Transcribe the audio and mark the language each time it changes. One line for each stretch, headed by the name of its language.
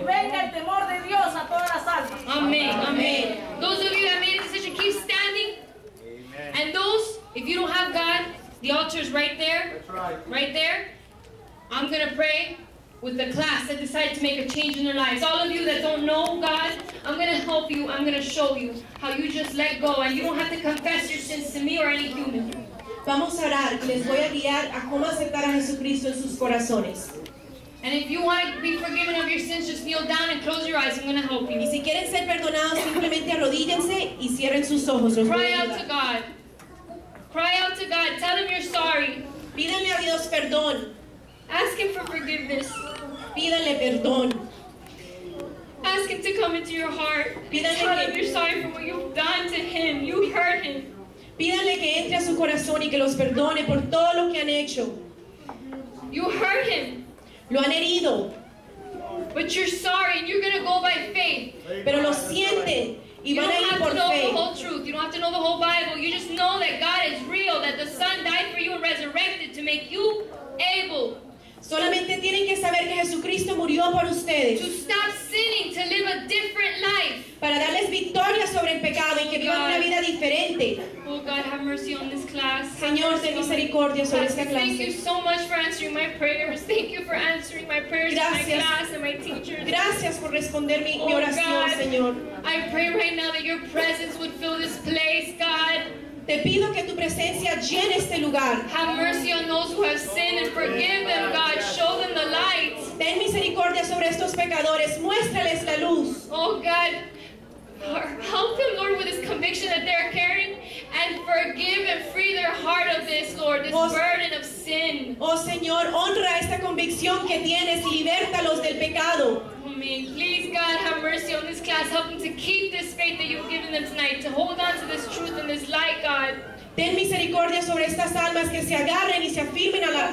Spanish: Y venga el temor de Dios a todas las almas. Amén. Amén. Amén.
English: Those of you that made a decision, keep standing. Amen. And those, if you don't have God, the altar is right there. That's right. Right there. I'm going to pray. with the class that decided to make a change in their lives. All of you that don't know God, I'm gonna help you. I'm gonna show you how you just let go and you don't have to confess your sins to me or any human.
Spanish: Vamos a orar. Les voy a guiar a cómo aceptar a Jesucristo en sus corazones.
English: And if you want to be forgiven of your sins, just kneel down and close your eyes. I'm gonna help you.
Spanish: Y si quieren ser perdonados, simplemente arrodíllense y cierren sus ojos.
English: Cry out to God. Cry out to God. Tell him you're sorry.
Spanish: Pídanle a Dios perdón.
English: Ask him for forgiveness.
Spanish: Pídanle perdón.
English: Ask him to come into your heart.
Spanish: Pídanle
English: tell
Spanish: que...
English: him you're sorry for what you've done to him. You hurt him.
Spanish: Pídanle que entre a su corazón y que los perdone por todo lo que han hecho.
English: You hurt him.
Spanish: Lo han herido.
English: But you're sorry and you're going to go by faith.
Spanish: Pero lo siente y van a ir por fe.
English: You don't have to know the whole truth. You don't have to know the whole Bible. You just know that God is real, that the Son died for you and resurrected to make you able.
Spanish: Solamente tienen que saber que Jesucristo murió por ustedes.
English: To stop sinning, to live a different life.
Spanish: Para darles victoria sobre el pecado y que vivan una vida diferente.
English: Oh God, have mercy on this class.
Spanish: Señor, ten misericordia sobre esta clase.
English: Thank you so much for answering my prayers. Thank you for answering my prayers to my class and my teachers.
Spanish: Gracias por responder mi oración, Señor.
English: I pray right now that your presence would fill this place, God.
Spanish: Te pido que tu presencia llene este lugar.
English: Have mercy on those who have sinned and forgive them, God. Show them the light.
Spanish: Ten misericordia sobre estos pecadores. Muéstrales la luz.
English: Oh God, help them, Lord, with this conviction that they're carrying and forgive and free their heart of this, Lord, this burden of sin.
Spanish: Oh Señor, honra esta convicción que tienes y libértalos del pecado.
English: Please, God, have mercy on this class. Help them to keep this faith that you've given them tonight, to hold on to this truth and this light, God.
Spanish: Ten misericordia sobre estas almas que se agarren y se afirmen a la,